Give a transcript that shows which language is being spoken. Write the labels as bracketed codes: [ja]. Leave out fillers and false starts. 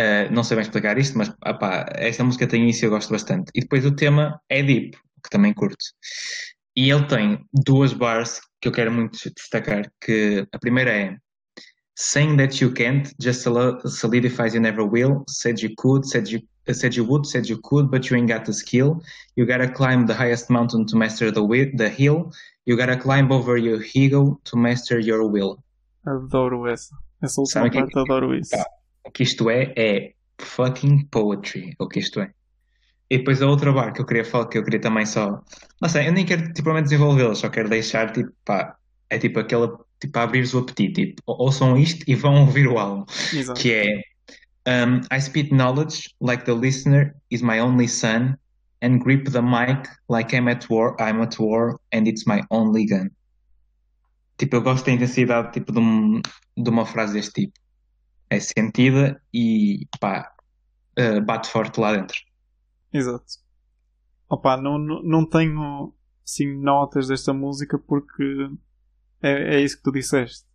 [pt] Não sei bem explicar isto, mas, pá, esta música tem isso e eu gosto bastante. E depois o tema é deep, que também curto. E ele tem duas bars que eu quero muito destacar, que a primeira é [en] Saying that you can't just solidifies you never will. Said you could, said you would, said you could, but you ain't got the skill. You gotta climb the highest mountain to master the hill. You gotta climb over your ego to master your will. [pt] Adoro essa última Sabe parte, adoro isso. o que isto é? É [en] fucking poetry, [pt] o que isto é. E depois a outra barra que eu queria falar, que eu queria também só. Não sei, eu nem quero, tipo, desenvolvê-la, só quero deixar, tipo, pá. É tipo aquela. Tipo, abrir-vos o apetite. Tipo, ouçam isto e vão ouvir o álbum. Exato. Que é. [en] I spit knowledge like the listener is my only son and grip the mic like I'm at war and it's my only gun. [pt] Tipo, eu gosto da intensidade, tipo, de uma frase deste tipo. É sentida e, pá, bate forte lá dentro. Exato. Opa, não tenho assim, notas desta música porque é isso que tu disseste.